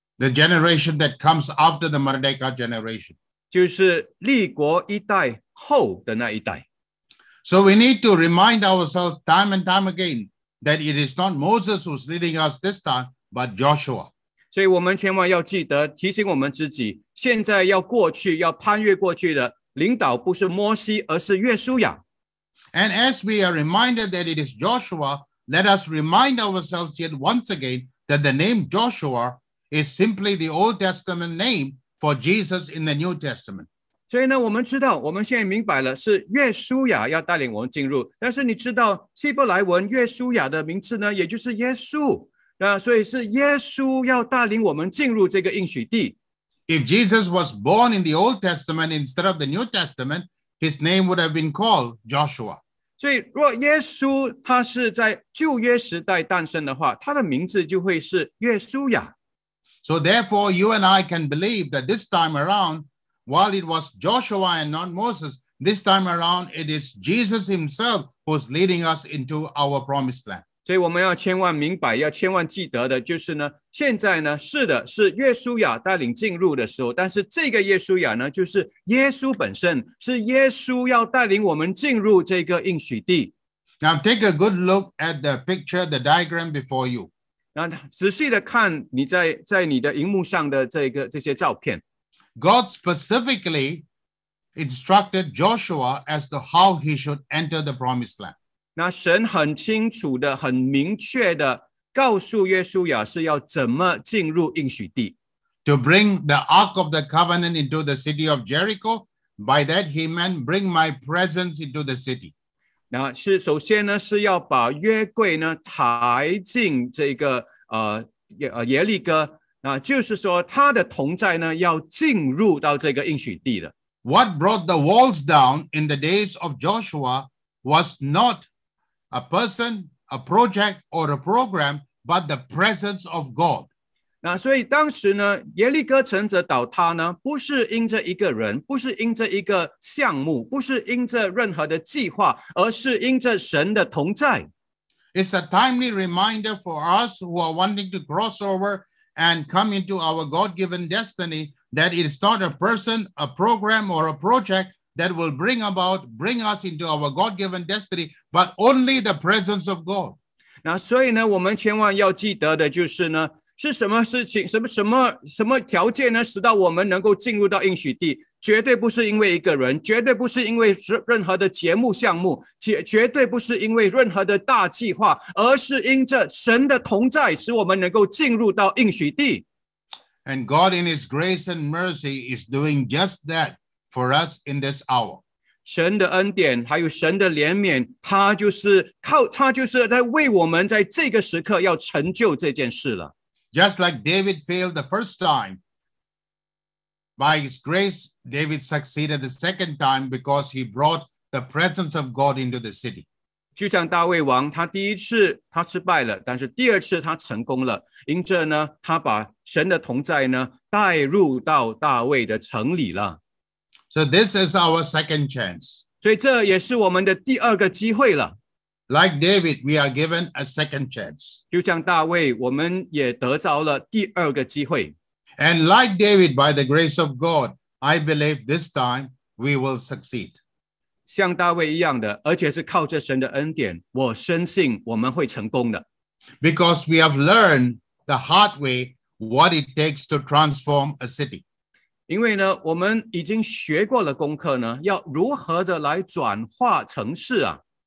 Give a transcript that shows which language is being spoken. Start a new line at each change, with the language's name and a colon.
English: The generation that comes after the Merdeka generation.
Chinese: 就是立国一代后的那一代。
English: So we need to remind ourselves time and time again that it is not Moses who's leading us this time, but Joshua.
Chinese: 所以我们千万要记得提醒我们自己，现在要过去，要攀越过去的领导不是摩西，而是约书亚。
English: And as we are reminded that it is Joshua, let us remind ourselves yet once again that the name Joshua is simply the Old Testament name for Jesus in the New Testament.
Chinese: 所以呢，我们知道，我们现在明白了，是约书亚要带领我们进入。但是你知道，希伯来文约书亚的名字呢，也就是耶稣。那所以是耶稣要带领我们进入这个应许地。
English: If Jesus was born in the Old Testament instead of the New Testament, his name would have been called Joshua.
Chinese: 所以若耶稣他是在旧约时代诞生的话，他的名字就会是约书亚。
English: So therefore, you and I can believe that this time around,While it was Joshua and not Moses, this time around it is Jesus himself who's leading us into our promised land.
Chinese: 所以我们要千万明白，要千万记得的就是呢，现在呢，是的，是约书亚带领进入的时候，但是这个约书亚呢，就是耶稣本身，是耶稣要带领我们进入这个应许地。
English: Now take a good look at the picture, the diagram before you.
Chinese: 那仔细的看你在你的荧幕上的这些照片。
English: God specifically instructed Joshua as to how he should enter the promised land.
Chinese: 那神很清楚的、很明确的告诉约书亚是要怎么进入应许地。
English: To bring the Ark of the Covenant into the city of Jericho, by that he meant bring my presence into the city.
Chinese: 那是首先呢，是要把约柜呢抬进这个耶利哥。就是说他的同在呢要进入到这个应许地的。
English: What brought the walls down in the days of Joshua was not a person, a project, or a program, but the presence of God.
Chinese: 所以当时呢耶利哥城的倒塌呢不是因着一个人，不是因着一个项目，不是因着任何的计划，而是因着神的同在。
English: It's a timely reminder for us who are wanting to cross over and come into our God-given destiny, that it is not a person, a program, or a project, that will bring us into our God-given destiny, but only the presence of God.
Chinese: 那所以呢，我们千万要记得的就是呢，是什么事情，什么条件呢，使到我们能够进入到应许地？绝对不是因为一个人，绝对不是因为任何的节目项目，绝对不是因为任何的大计划，而是因着神的同在，使我们能够进入到应许地。
English: And God in His grace and mercy is doing just that for us in this hour.
Chinese: 神的恩典还有神的怜悯，他就是在为我们在这个时刻要成就这件事了。
English: Just like David failed the first time, by His grace, David succeeded the second time because he brought the presence of God into the city.
Chinese: 就像大卫王，他第一次他失败了，但是第二次他成功了，因着呢，他把神的同在呢带入到大卫的城里了。
English: So this is our second chance.
Chinese: 所以这也是我们的第二个机会了。
English: Like David, we are given a second chance.
Chinese: 就像大卫，我们也得着了第二个机会。
English: And like David, by the grace of God, I believe this time we will succeed.
Chinese: 像大卫一样的，而且是靠着神的恩典，我深信我们会成功的。
English: Because we have learned the hard way what it takes to transform a city.
Chinese: 因为呢，我们已经学过了功课呢，要如何的来转化城市啊